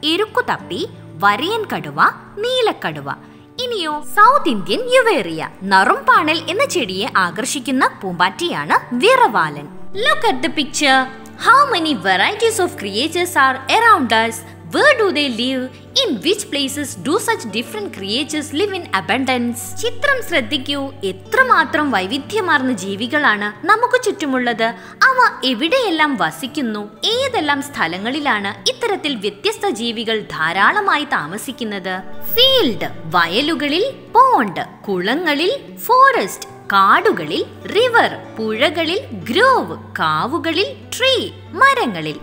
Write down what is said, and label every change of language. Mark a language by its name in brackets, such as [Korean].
[Malayalam] എരുക്കു തപ്പി, വരയൻ കടുവ, നീലക്കടുവ. ഇനിയോ, സൗത്ത് ഇന്ത്യൻ യുവേറിയ. നറും പാണൽ എന്ന ചെടിയെ ആകർഷിക്കുന്ന പൂമ്പാറ്റയാണ് വിറവാലൻ. [English] Look at the picture. How many varieties of creatures are around us? Where do they live? In which places do such different creatures live in abundance? [Malayalam] ചിത്രം ശ്രദ്ധിക്കൂ. എത്രമാത്രം വൈവിധ്യമാർന്ന ജീവികളാണ് നമുക്ക് ചുറ്റുമുള്ളത്. അവ എവിടെയെല്ലാം വസിക്കുന്നു, ഏതെല്ലാം സ്ഥലങ്ങളിലാണ് ഇത്തരത്തിൽ വ്യത്യസ്ത ജീവികൾ ധാരാളമായി താമസിക്കുന്നത്? ഫീൽഡ്, വയലുകളിൽ പോണ്ട്, കുളങ്ങളിൽ ഫോറസ്റ്റ്, കാടുകളിൽ റിവർ, പുഴകളിൽ ഗ്രോവ്, കാവുകളിൽ ട്രീ, മരങ്ങളിൽ.